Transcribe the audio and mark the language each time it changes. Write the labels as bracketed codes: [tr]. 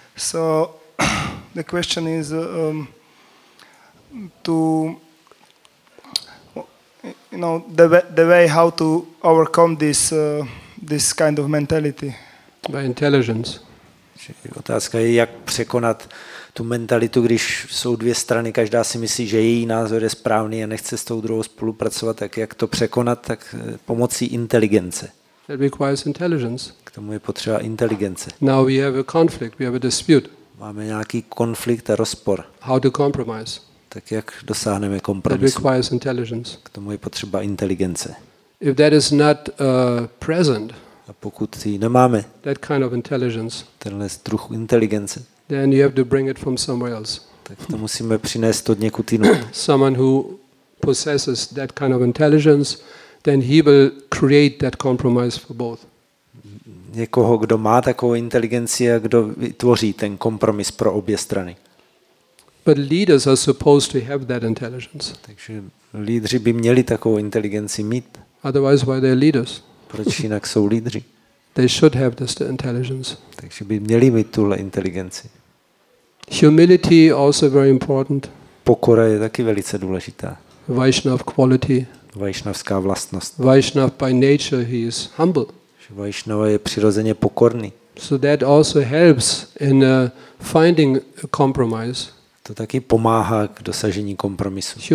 [en] So the question is the way how to overcome this this kind of mentality. By intelligence. [cs] Otázka je, jak překonat tu mentalitu, když jsou dvě strany, každá si myslí, že její názor je správný a nechce s tou druhou spolupracovat, tak jak to překonat, tak pomocí inteligence. [en] That requires intelligence. [cs] K tomu je potřeba inteligence. [en] Now we have a conflict, we have a dispute. [cs] Máme nějaký konflikt a rozpor. [en] How to compromise? [cs] Tak jak dosáhneme kompromisu? K tomu je potřeba inteligence. [en] If that is not present, [cs] a pokud ji nemáme, [en] that kind of intelligence, [cs] tenhle druh inteligence, [en] then you have to bring it from somewhere else. [cs] Tak to musíme přinést od někud jinak. [en] Someone who possesses that kind of intelligence, then he will create that compromise for both. [cs] Někoho, kdo má takovou inteligenci a kdo vytvoří ten kompromis pro obě strany. [en] But leaders are supposed to have that intelligence. [cs] Takže lídři by měli takovou inteligenci mít. [en] Otherwise, why are they leaders? [cs] Proč jinak jsou lídři? [en] They should have this intelligence. [cs] Takže by měli mít tuhle inteligenci. [en] Humility also very important. [cs] Pokora je taky velice důležitá. [en] Vaishnav quality. [cs] Vaishnavská vlastnost. [en] Vaishnav by nature he is humble. [cs] Že Vaishnava je přirozeně pokorný. [en] So that also helps in finding a compromise. [cs] To taky pomáhá k dosažení kompromisu.